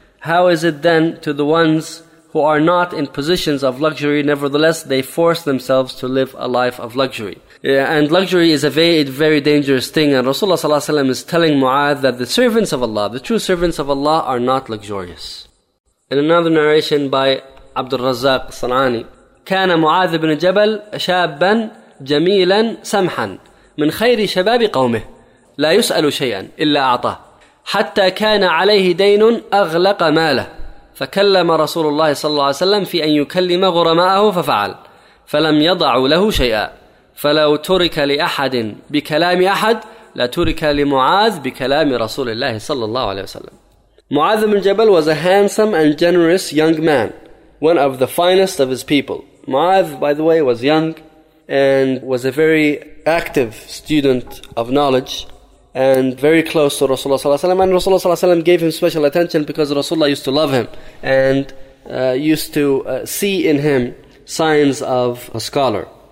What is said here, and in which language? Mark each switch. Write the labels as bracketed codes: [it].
[en] How is it then to the ones who are not in positions of luxury, nevertheless they force themselves to live a life of luxury? Yeah, and luxury is a very, very dangerous thing. And Rasulullah ﷺ is telling Mu'adh that the servants of Allah, the true servants of Allah, are not luxurious. In another narration by Abd al-Razzaq Sanani, [ar] كان معاذ بن جبل شابا جميلا سمحا من خير شباب قومه لا يسأل شيئا إلا أعطاه حتى كان عليه دين أغلق ماله فكلم رسول الله صلى الله عليه وسلم في أن يكلم غرماءه ففعل فلم يضع له شيئا فلو ترك لأحد بكلام أحد لترك لمعاذ بكلام رسول الله صلى الله عليه وسلم. [en] Mu'adh ibn Jabal was a handsome and generous young man, one of the finest of his people. Mu'adh, by the way, was young and was a very active student of knowledge and very close to Rasulullah صلى الله عليه وسلم. And Rasulullah صلى الله عليه وسلم gave him special attention because Rasulullah used to love him and used to see in him signs of a scholar.